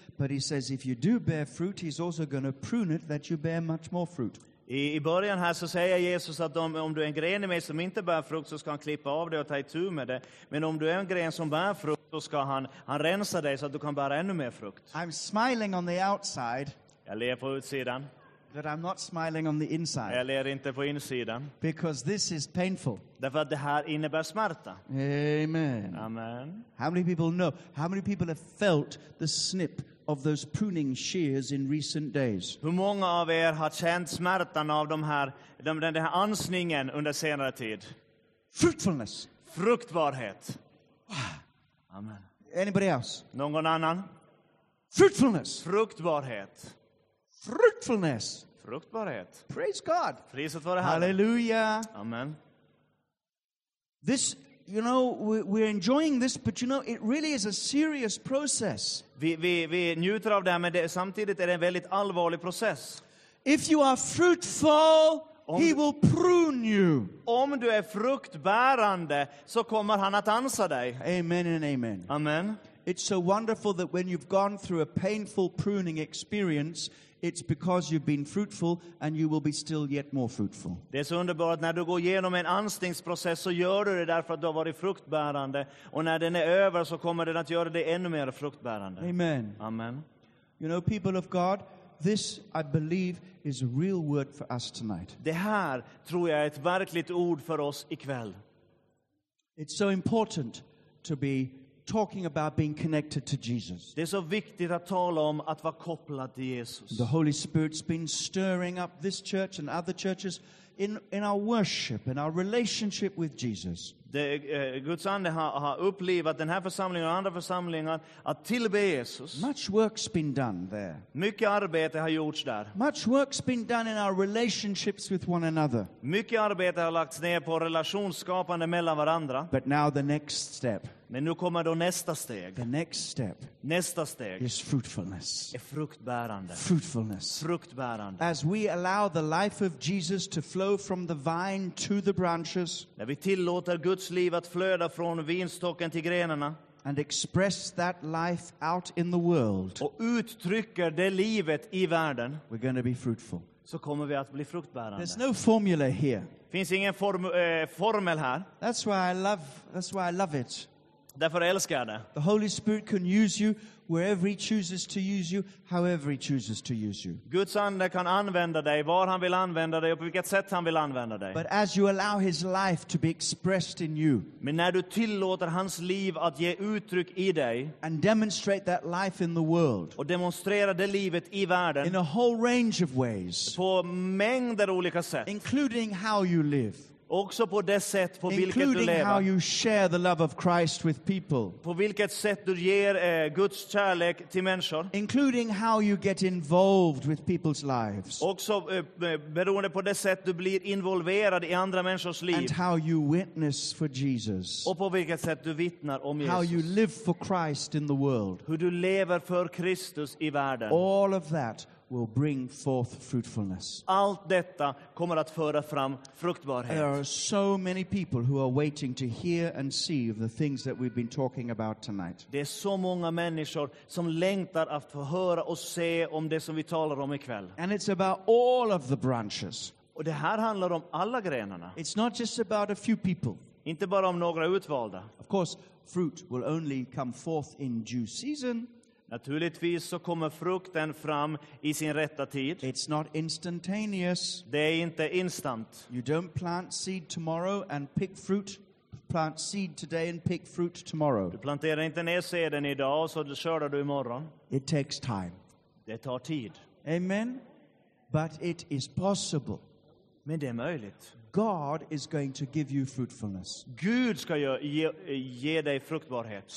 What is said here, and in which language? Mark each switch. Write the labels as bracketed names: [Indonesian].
[English] But he says, if you do bear fruit, he's also going to prune it that you bear much more fruit. [Swedish] I början här så säger Jesus att om du är en gren i mig som inte bär frukt så ska han klippa av det och ta itu med det. Men om du är en gren som bär frukt så ska han rensa dig så att du kan bära ännu mer frukt. [English] I'm smiling on the outside. [Swedish] Jag ler på utsidan. [English] But I'm not smiling on the inside. [Swedish] Jag ler inte på insidan. [English] Because this is painful. [Swedish] Därför att det här innebär smärta. Amen. Amen. [English] How many people know? How many people have felt the snip of those pruning shears in recent days? [Swedish] Hur många av er har känt smärtan av den här ansningen under senare tid? [English] Fruitfulness. [Swedish] Fruktbarhet. Amen. [English] Anybody else? [Swedish] Någon annan? [English] Fruitfulness. [Swedish] Fruktbarhet. [English] Fruitfulness. [Swedish] Fruktbarhet. [English] Praise God. [Swedish] Prisat vare Herren. Hallelujah. Amen. [English] This, you know, we're enjoying this, but you know, it really is a serious process. [Swedish] Vi njuter av det här, men samtidigt är det en väldigt allvarlig process. [English] If you are fruitful, he will prune you. [Swedish] Om du är fruktbärande, så kommer han att ansa dig. Amen and amen. Amen. [English] It's so wonderful that when you've gone through a painful pruning experience, it's because you've been fruitful and you will be still yet more fruitful. [Swedish] Det är så underbart när du går igenom en anstingsprocess så gör du det därför att du har varit fruktbärande. Och när den är över så kommer den att göra dig ännu mer fruktbärande. Amen. Amen. [English] You know, people of God, this, I believe, is a real word for us tonight. [Swedish] Det här tror jag är ett verkligt ord för oss ikväll. [English] It's so important to be talking about being connected to Jesus. [Swedish] Det är så viktigt att tala om att vara kopplad till Jesus. [English] The Holy Spirit's been stirring up this church and other churches in our worship and our relationship with Jesus. [Swedish] Guds ande har upplivat den här församlingen och andra församlingar att tillbe Jesus. [English] Much work's been done there. [Swedish] Mycket arbete har gjorts där. [English] Much work's been done in our relationships with one another. [Swedish] Mycket arbete har lagts ner på relationsskapande mellan varandra. [English] But now the next step. [Swedish] Men nu kommer då nästa steg. [English] The next step. [Swedish] Nästa steg. [English] Is fruitfulness. [Swedish] Är fruktbärande. [English] Fruitfulness. [Swedish] Fruktbärande. [English] As we allow the life of Jesus to flow from the vine to the branches. [Swedish] När vi tillåter Guds liv att flöda från vinstocken till grenarna. [English] And express that life out in the world. [Swedish] Och uttrycker det livet i världen. [English] We're going to be fruitful. [Swedish] Så kommer vi att bli fruktbärande. [English] There's no formula here. [Swedish] Finns ingen formel här. [English] That's why I love it. [Swedish] Därför älskar jag det. [English] The Holy Spirit can use you wherever he chooses to use you, however he chooses to use you. [Swedish] Guds ande kan använda dig var han vill använda dig och på vilket sätt han vill använda dig. [English] But as you allow his life to be expressed in you. [Swedish] Men när du tillåter hans liv att ge uttryck i dig. [English] And demonstrate that life in the world. [Swedish] Och demonstrera det livet i världen. [English] In a whole range of ways. [Swedish] På mängder olika sätt. [English] Including how you live. [Swedish] Också på det sätt på vilket [English] including [Swedish] du lever. [English] How you share the love of Christ with people. [Swedish] På vilket sätt du ger Guds kärlek till människor. [English] Including how you get involved with people's lives. [Swedish] Också beroende på det sätt du blir involverad i andra människors liv. [English] And how you witness for Jesus. [Swedish] Och på vilket sätt du vittnar om Jesus. [English] How you live for Christ in the world. [Swedish] Hur du lever för Kristus i världen. [English] All of that will bring forth fruitfulness. [Swedish] Allt detta kommer att föra fram fruktbarhet. [English] There are so many people who are waiting to hear and see of the things that we've been talking about tonight. [Swedish] Det är så många människor som längtar att få höra och se om det som vi talar om ikväll. [English] And it's about all of the branches. [Swedish] Och det här handlar om alla grenarna. [English] It's not just about a few people. [Swedish] Inte bara om några utvalda. [English] Of course, fruit will only come forth in due season. [Swedish] Naturligtvis så kommer frukten fram i sin rätta tid. [English] It's not instantaneous. [Swedish] Det är inte instant. [English] You don't plant seed tomorrow and pick fruit. Plant seed today and pick fruit tomorrow. [Swedish] Du planterar inte ner säden idag så du skördar du imorgon. [English] It takes time. [Swedish] Det tar tid. [English] Amen. But it is possible. [Swedish] Men det är möjligt. [English] God is going to give you fruitfulness. [Swedish] Gud ska ge dig fruktbarhet.